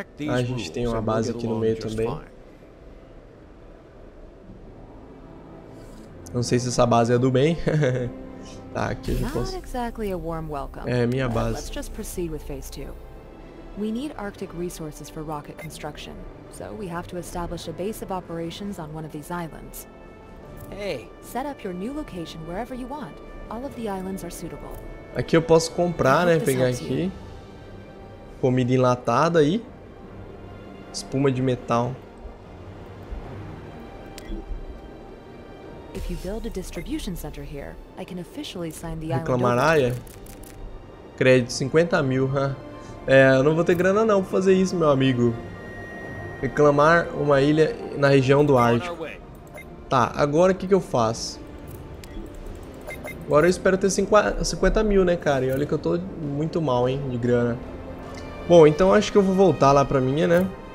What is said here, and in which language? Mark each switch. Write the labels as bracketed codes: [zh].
[pt] A gente tem uma base aqui no meio também. Não sei se essa base é do bem. Tá, aqui eu já posso. É minha base. [en] Let's just proceed with phase 2. We need Arctic resources for rocket construction, so we have to establish a base of operations on one of these islands. Hey, set up your new location wherever you want. All of the islands are suitable. [pt] Aqui eu posso comprar, né? Pegar aqui. Comida enlatada aí. Espuma de metal. [en] If you build a distribution center here, I can officially sign the [pt] island. Crédito 50 mil, huh? É, eu não vou ter grana não pra fazer isso, meu amigo. Reclamar uma ilha na região do Ártico. Tá, agora o que que eu faço? Agora eu espero ter 50 mil, né, cara? E olha que eu tô muito mal, hein, de grana. Bom, então acho que eu vou voltar lá pra minha, né?